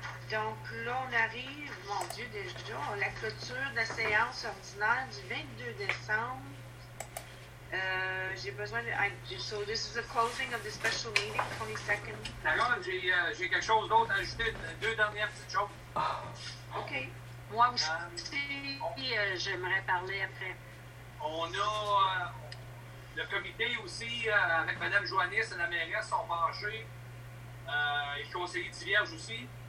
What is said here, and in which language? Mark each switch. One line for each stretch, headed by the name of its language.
French: Donc là, on arrive, mon Dieu, déjà, à la clôture de la séance ordinaire du 22 décembre. J'ai besoin de...
English: So this is the closing of the special meeting, 22nd.
French: D'accord, j'ai quelque chose d'autre à ajouter, deux dernières petites choses. OK. Moi aussi, j'aimerais parler après. On a le comité aussi, avec Mme Joannis et la mairesse, sont penchés, et le conseiller Thivierge aussi.